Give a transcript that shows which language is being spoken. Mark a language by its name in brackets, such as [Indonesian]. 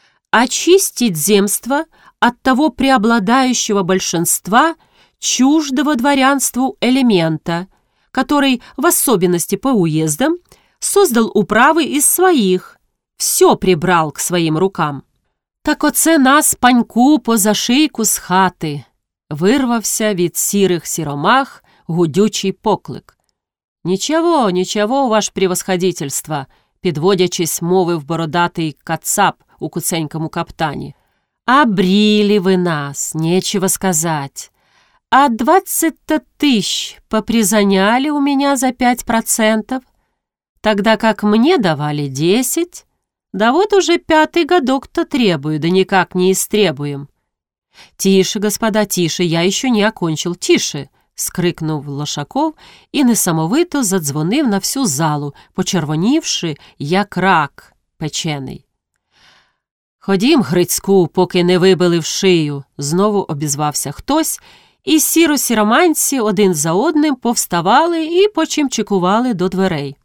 [Russian] Очистить земство от того преобладающего большинства чуждого дворянству элемента, который, в особенности по уездам, создал управы из своих, все прибрал к своим рукам. [Ukrainian] «Так оце нас паньку поза шийку з хати!» – вирвався від сірих сіромах гудючий поклик. «Нічого, нічого, [Russian] ваш превосходительство!» [Ukrainian] – підводячись мовив бородатий кацап у куценькому каптані. «Обріли ви нас, [Russian] нечего сказать! А 20 тисяч попризаняли у меня за 5%, тогда как мне давали 10%. Да вот уже 5-й годок-то требую, да никак не истребуем. Тише, господа, тише, я еще не окончил, тише!» [Ukrainian] Скрикнув Лошаков и несамовито задзвонив на всю залу, почервонивши, як рак печений. «Ходім, Грицьку, поки не вибили в шию!» – знову обізвався хтось, і сіро-сіроманці один за одним повставали і почимчикували до дверей.